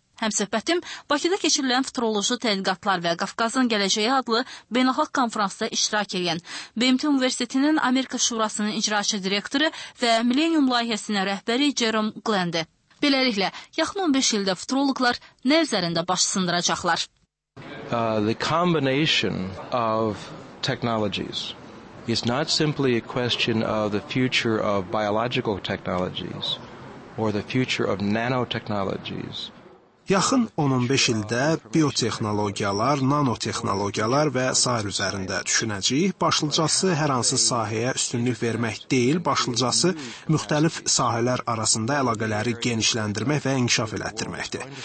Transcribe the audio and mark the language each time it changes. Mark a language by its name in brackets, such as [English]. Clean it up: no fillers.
[Azerbaijani] Həmsöhbətim Bakıda keçirilən futroloji tədqiqatlar və Qafqazın gələcəyi adlı beynəlxalq konfransda iştirak edən BMT Universitetinin Amerika Şurasının icraçı direktoru və Millennium layihəsinin rəhbəri Jerome Glendi. Beləliklə, yaxın 15 ildə futuroloqlar nə üzərində baş sındıracaqlar? [English] The combination of technologies is not simply a question of the future of biological technologies or the future of nanotechnologies. [Azerbaijani] Yaxın 10-15 ildə biotexnologiyalar, nanotexnologiyalar və s. üzərində düşünəcəyik. Başlıcası hər hansı sahəyə üstünlük vermək deyil, başlıcası müxtəlif sahələr arasında əlaqələri genişləndirmək və inkişaf elətdirməkdir.